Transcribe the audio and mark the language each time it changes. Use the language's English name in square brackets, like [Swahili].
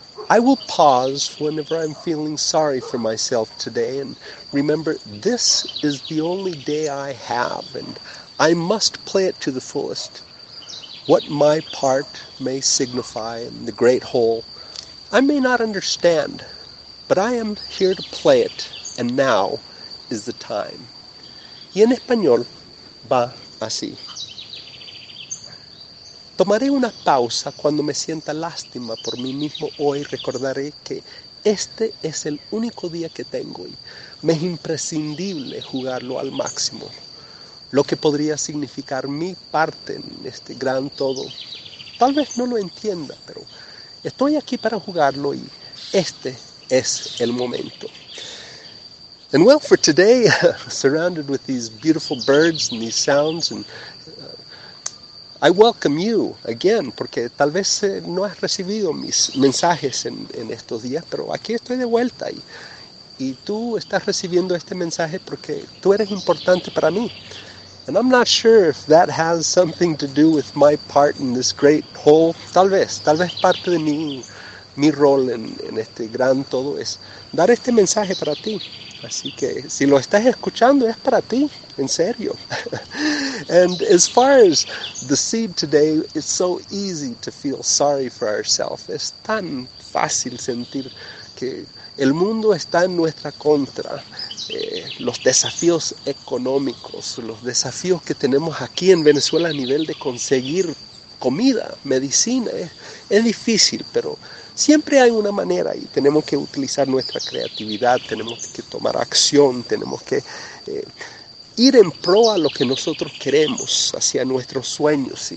[English] I will pause whenever I'm feeling sorry for myself today and remember this is the only day I have and I must play it to the fullest. What my part may signify in the great whole, I may not understand, but I am here to play it and now is the time. [Spanish] Y en español va así. Tomaré una pausa cuando me sienta lástima por mí mismo hoy. Recordaré que este es el único día que tengo y me es imprescindible jugarlo al máximo. Lo que podría significar mi parte en este gran todo, tal vez no lo entienda, pero estoy aquí para jugarlo y este es el momento. [English] And well, for today, surrounded with these beautiful birds and these sounds and I welcome you again, [Spanish] porque tal vez no has recibido mis mensajes en estos días, pero aquí estoy de vuelta y tú estás recibiendo este mensaje porque tú eres importante para mí. [English] And I'm not sure if that has something to do with my part in this great whole. [Spanish] Tal vez parte de mi rol en este gran todo es dar este mensaje para ti. Así que si lo estás escuchando es para ti, en serio. [English] And as far as the seed today, it's so easy to feel sorry for ourselves. [Spanish] Es tan fácil sentir que el mundo está en nuestra contra. Los desafíos económicos, los desafíos que tenemos aquí en Venezuela a nivel de conseguir comida, medicina, es difícil, pero siempre hay una manera y tenemos que utilizar nuestra creatividad, tenemos que tomar acción, tenemos que ir en pro a lo que nosotros queremos, hacia nuestros sueños.